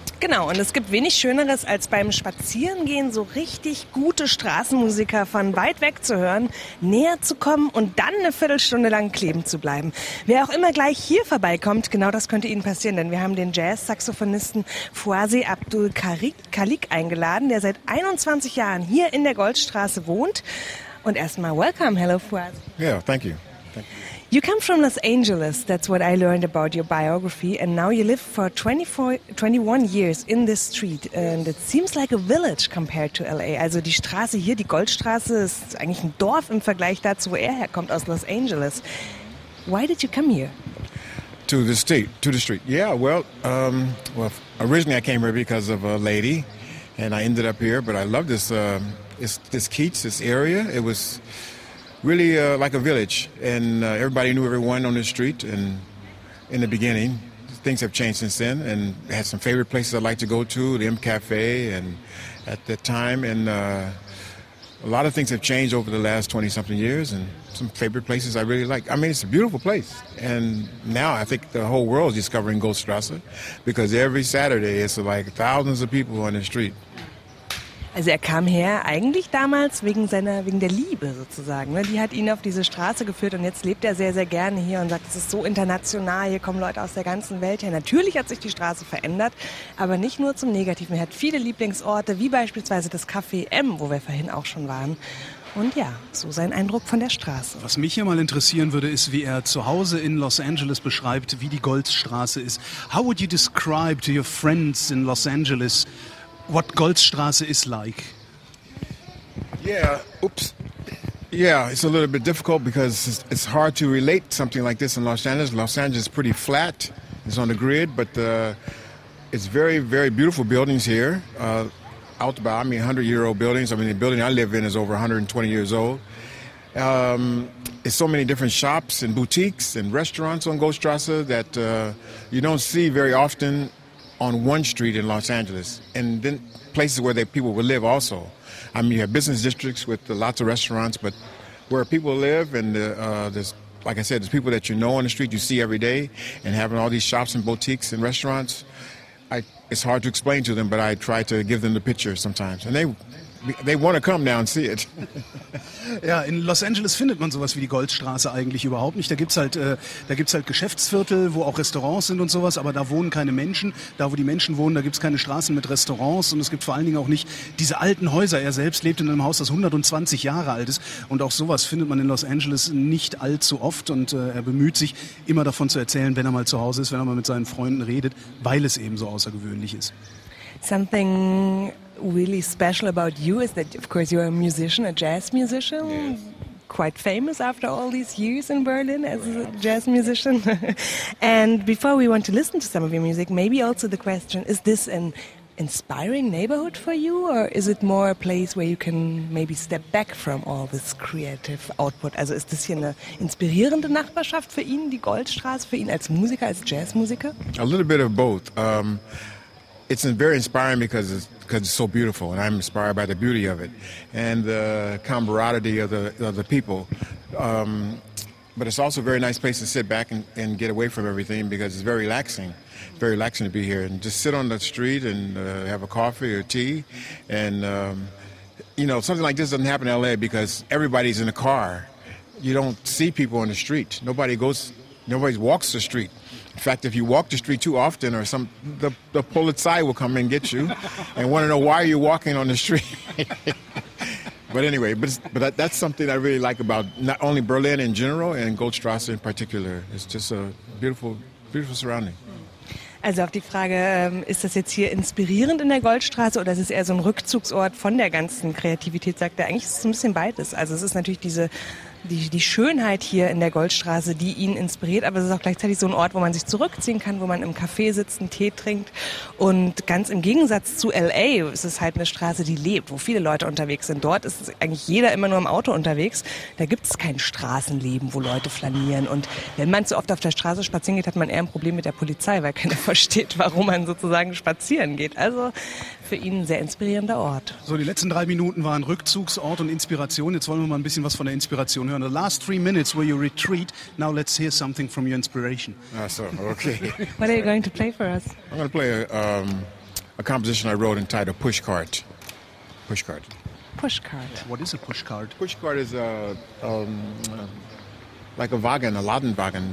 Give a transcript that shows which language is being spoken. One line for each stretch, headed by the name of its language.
German: Genau, und es gibt wenig Schöneres, als beim Spazierengehen so richtig gute Straßenmusiker von weit weg zu hören, näher zu kommen und dann eine Viertelstunde lang kleben zu bleiben. Wer auch immer gleich hier vorbeikommt, genau das könnte Ihnen passieren, denn wir haben den Jazz-Saxophonisten Fouazi Abdul Khalik eingeladen, der seit 21 Jahren hier in der Goldstraße wohnt. Und erstmal
English: welcome, hello
German: Fouazi.
English: Yeah, thank you. You come from Los Angeles, that's what I learned about your biography, and now you live for 21 years in this street, and it seems like a village compared to LA.
German: Also die Straße hier, die Goldstraße, ist eigentlich ein Dorf im Vergleich dazu, wo er herkommt, aus Los Angeles.
English: Why did you come here? To the street. Yeah, well, originally I came here because of a lady, and I ended up here, but I love this Keats, this area. It was really like a village, and everybody knew everyone on the street, and in the beginning, things have changed since then, and I had some favorite places I like to go to, the M Cafe, and at that time, and a lot of things have changed over the last 20-something years, and some favorite places I really like. I mean, it's a beautiful place, and now I think the whole world is discovering Goldstrasse, because every Saturday, it's like thousands of people on the street.
German: Also er kam her eigentlich damals wegen der Liebe sozusagen. Die hat ihn auf diese Straße geführt und jetzt lebt er sehr, sehr gerne hier und sagt, es ist so international, hier kommen Leute aus der ganzen Welt her. Natürlich hat sich die Straße verändert, aber nicht nur zum Negativen. Er hat viele Lieblingsorte, wie beispielsweise das Café M, wo wir vorhin auch schon waren. Und ja, so sein Eindruck von der Straße. Was mich hier mal interessieren würde, ist, wie er zu Hause in Los Angeles beschreibt, wie die Goldstraße ist.
English: How would you describe to your friends in Los Angeles what Goldstraße is like? Yeah, it's a little bit difficult because it's hard to relate something like this in Los Angeles. Los Angeles is pretty flat, it's on the grid, but it's very, very beautiful buildings here. Out by, I mean, 100-year-old buildings. I mean, the building I live in is over 120 years old. It's so many different shops and boutiques and restaurants on Goldstraße that you don't see very often on one street in Los Angeles, and then places where people would live also. I mean, you have business districts with lots of restaurants, but where people live and there's, like I said, there's people that you know on the street, you see every day, and having all these shops and boutiques and restaurants, it's hard to explain to them, but I try to give them the picture sometimes. And they they want to come now and see it.
German: Ja, in Los Angeles findet man sowas wie die Goldstraße eigentlich überhaupt nicht. Da gibt's halt Geschäftsviertel, wo auch Restaurants sind und sowas, aber da wohnen keine Menschen. Da, wo die Menschen wohnen, da gibt's keine Straßen mit Restaurants und es gibt vor allen Dingen auch nicht diese alten Häuser. Er selbst lebt in einem Haus, das 120 Jahre alt ist und auch sowas findet man in Los Angeles nicht allzu oft und er bemüht sich immer davon zu erzählen, wenn er mal zu Hause ist, wenn er mal mit seinen Freunden redet, weil es eben so außergewöhnlich ist.
English: Something really special about you is that, of course, you're a musician, a jazz musician, yes. Quite famous after all these years in Berlin as perhaps. A jazz musician. And before we want to listen to some of your music, maybe also the question, is this an inspiring neighborhood for you, or is it more a place where you can maybe step back from all this creative output?
German: Also ist das hier eine inspirierende Nachbarschaft für ihn, die Goldstraße, für ihn als Musiker, als Jazzmusiker?
English: A little bit of both. It's very inspiring because it's so beautiful, and I'm inspired by the beauty of it and the camaraderie of the people. But it's also a very nice place to sit back and get away from everything because it's very relaxing. Very relaxing to be here and just sit on the street and have a coffee or tea. And, you know, something like this doesn't happen in L.A. because everybody's in a car. You don't see people on the street. Nobody walks the street. In fact, if you walk the street too often, or the Polizei will come and get you and want to know why you're walking on the street. But anyway, that's something I really like about not only Berlin in general and Goldstrasse in particular. It's just a beautiful, beautiful surrounding.
German: Also auf die Frage, ist das jetzt hier inspirierend in der Goldstraße oder ist es eher so ein Rückzugsort von der ganzen Kreativität, sagt er. Eigentlich ist es ein bisschen beides. Also es ist natürlich die Schönheit hier in der Goldstraße, die ihn inspiriert, aber es ist auch gleichzeitig so ein Ort, wo man sich zurückziehen kann, wo man im Café sitzt, einen Tee trinkt und ganz im Gegensatz zu L.A. ist es halt eine Straße, die lebt, wo viele Leute unterwegs sind. Dort ist eigentlich jeder immer nur im Auto unterwegs. Da gibt es kein Straßenleben, wo Leute flanieren und wenn man zu oft auf der Straße spazieren geht, hat man eher ein Problem mit der Polizei, weil keiner versteht, warum man sozusagen spazieren geht. Also für ihn ein sehr inspirierender Ort. So, die letzten 3 Minuten waren Rückzugsort und Inspiration. Jetzt wollen wir mal ein bisschen was von der Inspiration hören.
English: In the last 3 minutes where you retreat, now let's hear something from your inspiration. Ah, so, okay. What are you going to play for us? I'm going to play a composition I wrote entitled Pushcart. Pushcart. Pushcart. What is a pushcart? Pushcart is like a wagon, a Ladenwagen.